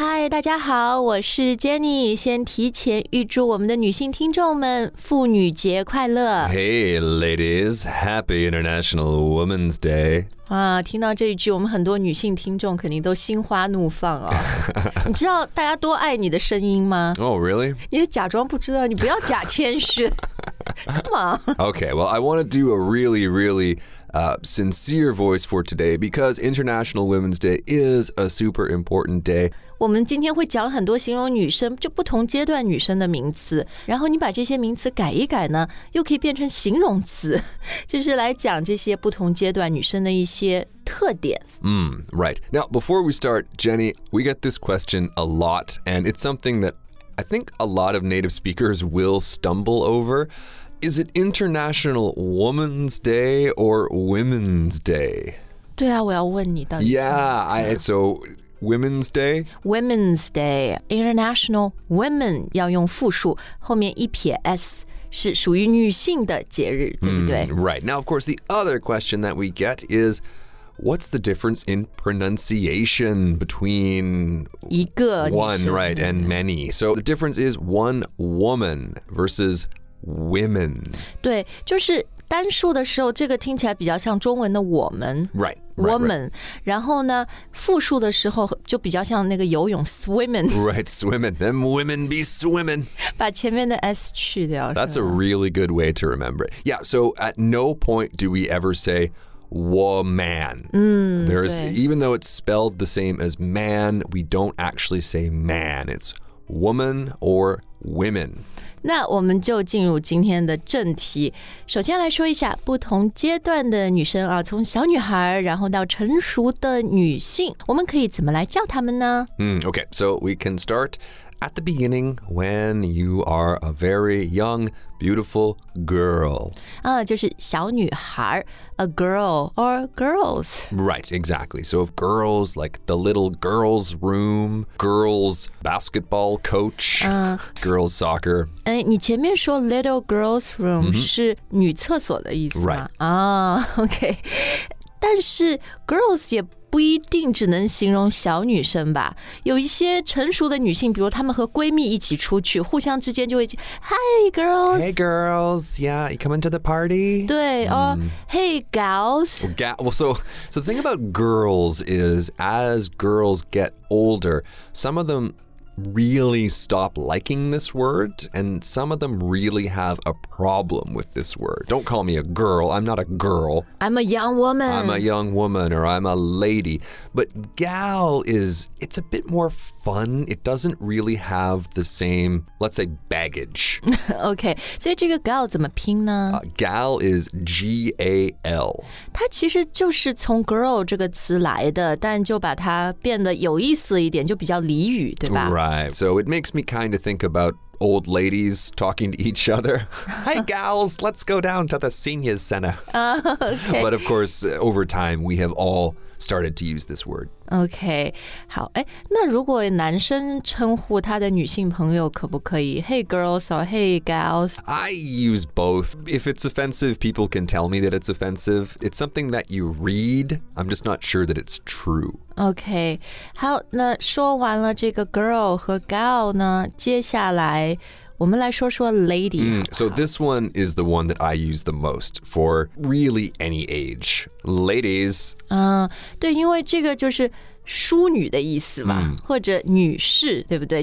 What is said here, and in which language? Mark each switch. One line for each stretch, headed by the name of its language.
Chinese: 大家好，我是 Jenny， 先提前预祝我们的女性听众们妇女节快乐。
English: Hey ladies, happy International Women's Day。
Chinese: 啊，听到这一句，我们很多女性听众肯定都心花怒放啊、哦！你知道大家多爱你的声音吗
English: ？Oh, really？
Chinese: 你也假装不知道，你不要假谦虚。
English: Come on. Okay, well, I want to do a really, really, sincere voice for today because International Women's Day is a super important day.
Chinese: 我们今天会讲很多形容女生就不同阶段女生的名词，然后你把这些名词改一改呢，又可以变成形容词，就是来讲这些不同阶段女生的一些特点。
English: Right. Now, before we start, Jenny, we get this question a lot, and it's something that I think a lot of native speakers will stumble over. Is it International Women's Day or Women's Day?
Chinese: 对啊，我要问你到底。
English: So Women's Day? Women's Day.
Chinese: International Women 要用复数，后面一撇 S 是属于女性的节日，对不对？
English: Right. Now, of course, the other question that we get is,What's the difference in pronunciation between
Chinese: 一个
English: one, right, and many? So the difference is one woman versus women.
Chinese: 对，就是单数的时候，这个听起来比较像中文的我们
English: right, woman. Right.
Chinese: 然后呢，复数的时候就比较像那个游泳 swimming.
English: Right, swimming. Them women be swimming.
Chinese: 把前面的 S 去掉。
English: That's a really good way to remember it. Yeah, so at no point do we ever say,Woman. There's even though it's spelled the same as man, we don't actually say man. It's woman or women.
Chinese: 那我们就进入今天的正题。首先来说一下不同阶段的女生啊，从小女孩然后到成熟的女性，我们可以怎么来叫她们呢？
English: Okay, so we can start at the beginning when you are a very young. Beautiful girl.
Chinese: 就是小女孩
English: a girl or girls. Right, exactly. So if girls, like the little girls' room, girls' basketball coach, girls' soccer.
Chinese: 你前面说
English: little girls' room、
Chinese: mm-hmm. 是女厕所的意思吗
English: Right. OK.
Chinese: 但是 girls 也不一定只能形容小女生吧，有一些成熟的女性，比如她们和闺蜜一起出去，互相之间就会
English: Hi girls, Hey girls, Yeah, you coming to the party? 对、Hey gals. So the thing about girls is, as girls get older, some of them really stop liking this word, and some of them really have a problem with this word. Don't call me a girl. I'm not a girl. I'm a young woman. I'm a young woman, or I'm a lady. But gal is, it's a bit more fun. It doesn't really have the same, let's say, baggage. Okay, so this gal,
Chinese: 怎么拼呢?
English: Gal is G-A-L.
Chinese: 它其实就是从 girl 这个词来的，但就把它变得有意思一点，就比较俚语，对吧?
English: Right, so it makes me kind of think about old ladies talking to each other. Hi, gals, let's go down to the seniors center. Okay. But of course, over time, we have all started to use this word.
Chinese: Okay, 好，哎，那如果男生称呼他的女性朋友可不可以
English: Hey, girls, or hey, gals? I use both. If it's offensive, people can tell me that it's offensive. It's something that you read. I'm just not sure that it's true.
Chinese: OK, 好，那说完了这个 girl 和 gal 呢，接下来我们来说说 lady。
English: So this one is the one that I use the most for really any age. Ladies.
Chinese: 对，因为这个就是淑女的意思嘛、或者女士，对不对？